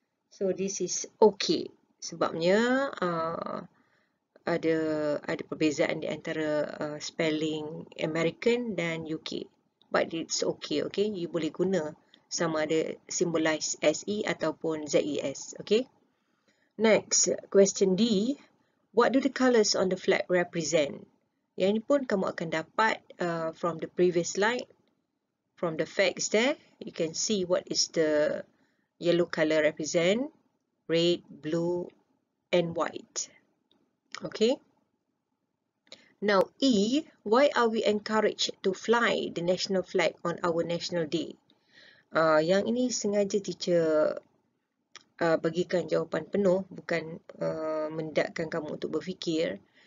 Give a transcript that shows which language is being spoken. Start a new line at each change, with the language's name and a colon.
English: So, this is okay.
Malay: Sebabnya, ada perbezaan di antara spelling American dan UK.
English: But it's okay, okay? You
Malay: boleh guna sama ada
English: symbolize S-E ataupun Z-E-S, okay? Next, question D. What do the colours on the flag represent?
Malay: Yang ini pun kamu akan dapat
English: from the previous slide. From the facts there, you can see what is the yellow colour represent. Red, blue and white. Okay. Now, E, why are we encouraged to fly the national flag on our national day?
Malay: Yang ini sengaja teacher bagikan jawapan penuh, bukan mendakkan kamu untuk berfikir.